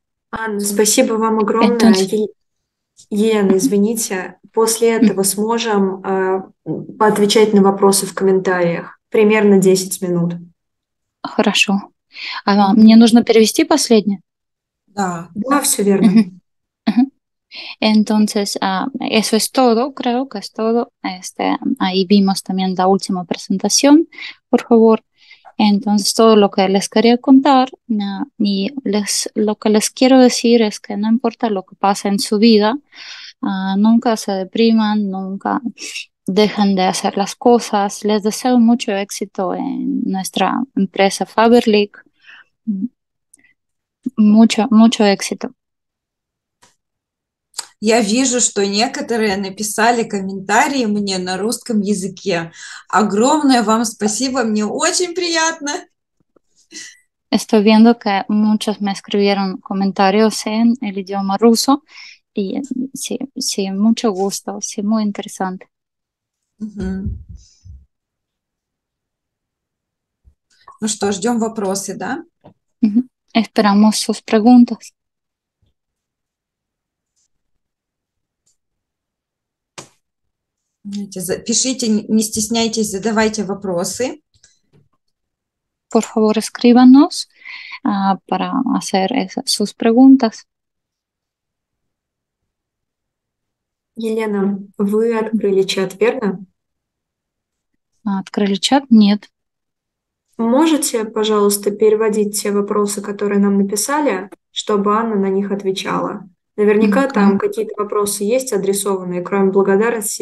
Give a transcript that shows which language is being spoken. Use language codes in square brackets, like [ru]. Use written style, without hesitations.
[ru] Анна, спасибо вам огромное. Елена, извините. После этого сможем поотвечать на вопросы в комментариях. Примерно 10 минут. Хорошо. А мне нужно перевести последнее? Да. Да, все верно. [es] Entonces, eso es todo, creo que es todo. Ahí vimos también la última presentación, por favor. Entonces, todo lo que les quería contar y lo que les quiero decir es que no importa lo que pase en su vida, nunca se depriman, nunca dejen de hacer las cosas. Les deseo mucho éxito en nuestra empresa Faberlic. Mucho, mucho éxito. [ru] Я вижу, что некоторые написали комментарии мне на русском языке. Огромное вам спасибо, мне очень приятно. [es] Estoy viendo que muchos me escribieron comentarios en el idioma ruso. Y sí, sí, mucho gusto, sí, muy interesante. [ru] Ну что, ждем вопросы, да? [es] Esperamos sus preguntas. [ru] Пишите, не стесняйтесь, задавайте вопросы. [es] Por favor, escríbanos para hacer sus preguntas. [ru] Елена, вы открыли чат, верно? Открыли чат? Нет. Можете, пожалуйста, переводить те вопросы, которые нам написали, чтобы Анна на них отвечала? Наверняка там какие-то вопросы есть адресованные, кроме благодарности.